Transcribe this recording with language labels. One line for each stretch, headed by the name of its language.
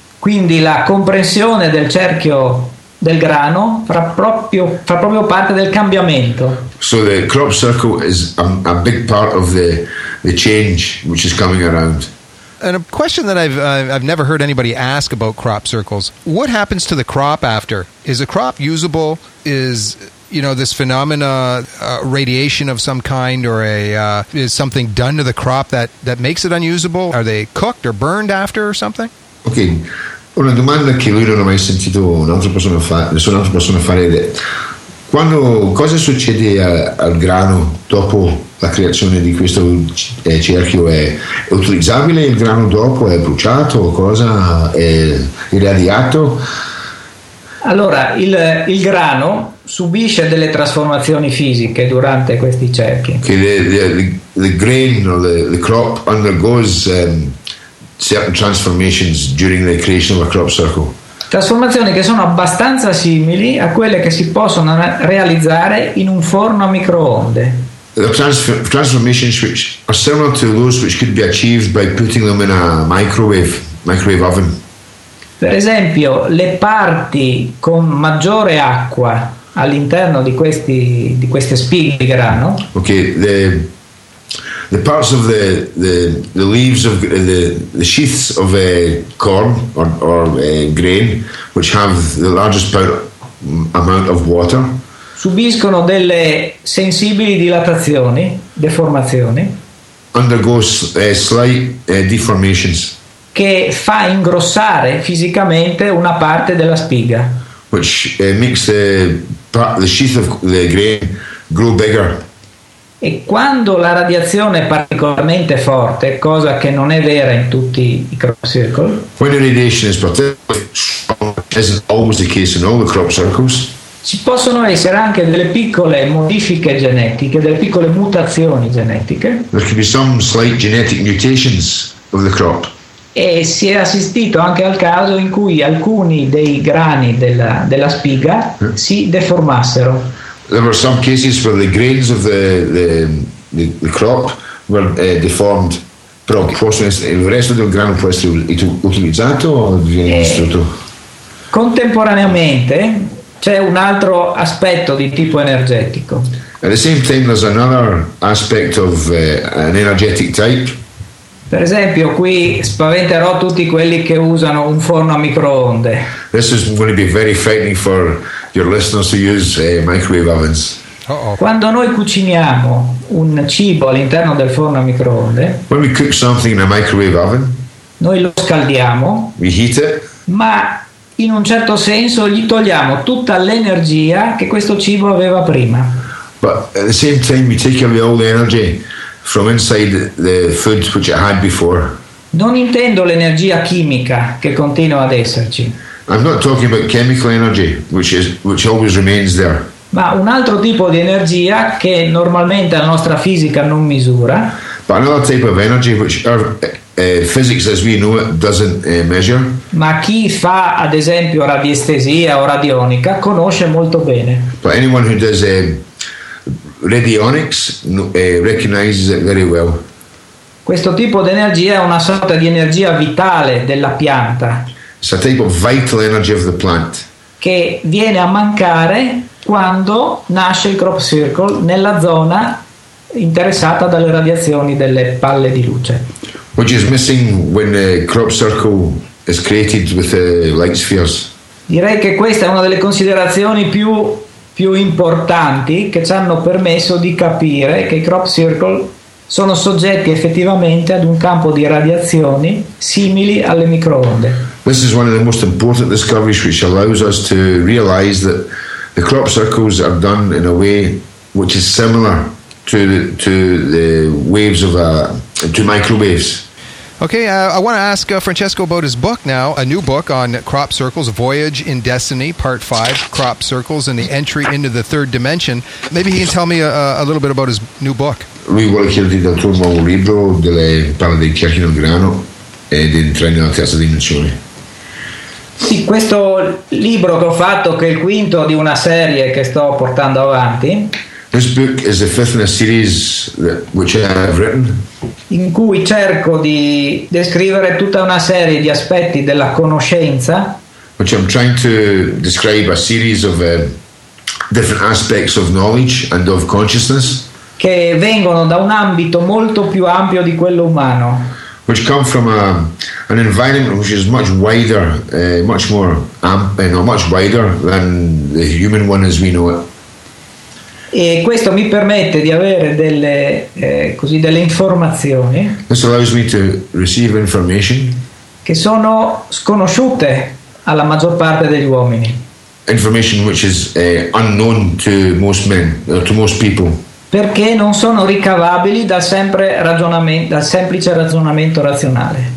Italian: Quindi la comprensione del cerchio del grano fa proprio parte del cambiamento.
English: So the crop circle is a big part of the change which is coming around. And a question that I've never heard anybody ask about crop circles. What happens to the crop after? Is a crop usable? Is, you know, this phenomena radiation of some kind, or is something done to the crop that makes it unusable? Are they cooked or burned after or something? Okay.
Italian: Una domanda che lui non ha mai sentito nessun'altra persona fare ed è: quando cosa succede al grano dopo la creazione di questo cerchio? È utilizzabile il grano dopo? È bruciato? Cosa? È irradiato? Allora, il grano subisce delle trasformazioni fisiche durante questi cerchi.
English: Okay, the grain or the crop undergoes certain transformations during the creation of a crop circle.
Italian: Trasformazioni che sono abbastanza simili a quelle che si possono realizzare in un forno a microonde.
English: The transformations which are similar to those which could be achieved by putting them in a microwave oven.
Italian: Per esempio, le parti con maggiore acqua all'interno di queste spighe di grano.
English: Okay, the parts of the leaves of the sheaths of corn or grain which have the largest amount of water
Italian: subiscono delle sensibili dilatazioni, deformazioni.
English: Undergo slight deformations.
Italian: Che fa ingrossare fisicamente una parte della spiga.
English: Which makes the sheath of the grain grow bigger.
Italian: E quando la radiazione è particolarmente forte, cosa che non è vera in tutti i crop circles.
English: When the radiation is particularly strong, as is always the case in all the crop circles.
Italian: Ci possono essere anche delle piccole modifiche genetiche, delle piccole mutazioni genetiche.
English: There can be some slight genetic mutations of the crop.
Italian: E si è assistito anche al caso in cui alcuni dei grani della spiga si deformassero.
English: There were some cases where the grains of the crop were deformed.
Italian: Però il resto del grano può essere utilizzato o viene distrutto? Contemporaneamente c'è un altro aspetto di tipo energetico.
English: At the same time, there's another aspect of an energetic type.
Italian: Per esempio, qui spaventerò tutti quelli che usano un forno a microonde.
English: This is going to be very frightening for your listeners who use microwave ovens.
Italian: Quando noi cuciniamo un cibo all'interno del forno a microonde,
English: when we cook something in a microwave oven,
Italian: noi lo scaldiamo,
English: we heat it,
Italian: ma in un certo senso gli togliamo tutta l'energia che questo cibo aveva prima.
English: But at the same time we take away all the energy from inside the food which it had before.
Italian: Non intendo l'energia chimica che continua ad esserci.
English: I'm not talking about chemical energy which always remains there.
Italian: Ma un altro tipo di energia che normalmente la nostra fisica non misura.
English: But another type of energy which our physics as we know it doesn't measure.
Italian: Ma chi fa ad esempio radiestesia o radionica conosce molto bene.
English: But anyone who does radionics recognizes it very well.
Italian: Questo tipo di energia è una sorta di energia vitale della pianta.
English: It's a type of vital energy of the plant.
Italian: Che viene a mancare quando nasce il crop circle nella zona interessata dalle radiazioni delle palle di luce.
English: Which is missing when the crop circle is created with the light spheres.
Italian: Direi che questa è una delle considerazioni più importanti che ci hanno permesso di capire che i crop circle sono soggetti effettivamente ad un campo di radiazioni simili alle microonde.
English: This is one of the most important discoveries which allows us to realize that the crop circles are done in a way which is similar to the waves of to microwaves. Okay, I want to ask Francesco about his book now, a new book on crop circles, Voyage in Destiny, Part 5, Crop Circles and the Entry into the Third Dimension. Maybe he can tell me a little bit about his new book.
Italian: Lui vuole chiederti dal tuo nuovo libro, parla dei cerchi nel grano e di entrare nella terza dimensione. Sì, questo libro che ho fatto, che è il quinto di una serie che sto portando avanti.
English: This book is the fifth in a series which I have written.
Italian: In cui cerco di descrivere tutta una serie di aspetti della conoscenza.
English: Which I'm trying to describe a series of different aspects of knowledge and of consciousness.
Italian: Che vengono da un ambito molto più ampio di quello umano.
English: Which come from an environment which is much wider, much wider than the human one as we know it.
Italian: E questo mi permette di avere delle informazioni.
English: This allows me to receive information
Italian: che sono sconosciute alla maggior parte degli uomini.
English: Information which is unknown to most men or to most people.
Italian: Perché non sono ricavabili dal semplice ragionamento razionale.